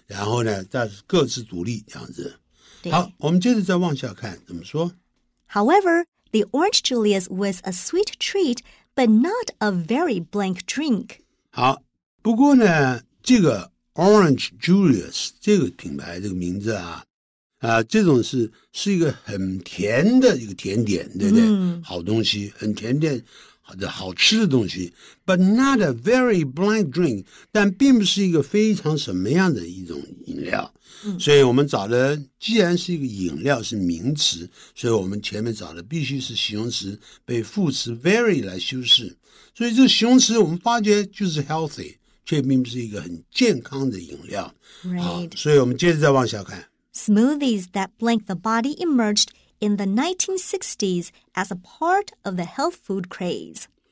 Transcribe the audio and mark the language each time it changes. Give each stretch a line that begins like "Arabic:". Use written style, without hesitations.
Chinese: 然后呢，但是各自独立这样子。对。好，我们接着再往下看，怎么说
English: ？However, the orange Julius was a sweet treat, but not a very blank drink.
Chinese: 好，不过呢，这个 orange Julius 这个品牌这个名字啊。啊、这种是一个很甜的一个甜点，对不对、嗯、好东西，很甜点好的好吃的东西。
English: But not a very blank drink,
Chinese: 但并不是一个非常什么样的一种饮料。嗯、所以我们找的既然是一个饮料是名词，所以我们前面找的必须是形容词被副词 very 来修饰。所以这个形容词我们发觉就是 healthy, 却并不是一个很健康的饮料。
English: Right.
Chinese: 好，所以我们接着再往下看。
English: Smoothies that blank the body emerged in the 1960s as a part of the health food craze.